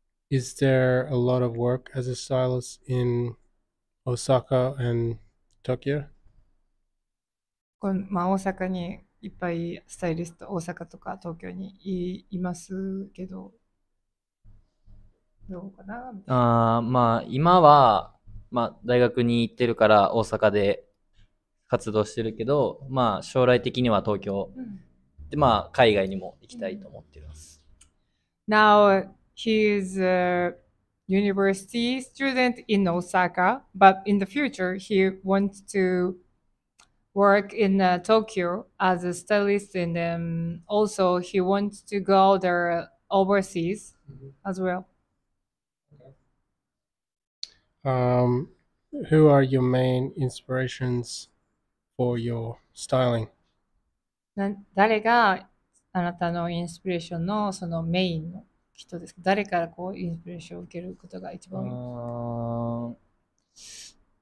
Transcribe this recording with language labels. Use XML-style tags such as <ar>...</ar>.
<en>Is there a lot of work as a stylist in Osaka and Tokyo?</en> <ja>まあ、大阪にいっぱいスタイリスト、大阪とか東京にいますけど、どうかなみたいな。まあ今は、まあ大学に行ってるから大阪で活動してるけど、まあ将来的には東京で、まあ海外にも行きたいと思ってます。</ja> <en>Now he is a university student in Osaka, but in the future he wants to work in Tokyo as a stylist and also he wants to go there overseas as well. Who are your main inspirations for your styling?</en> <ja>誰があなたのインスピレーションのそのメインの人ですか？誰からこうインスピレーションを受けることが一番多いですか？</ja>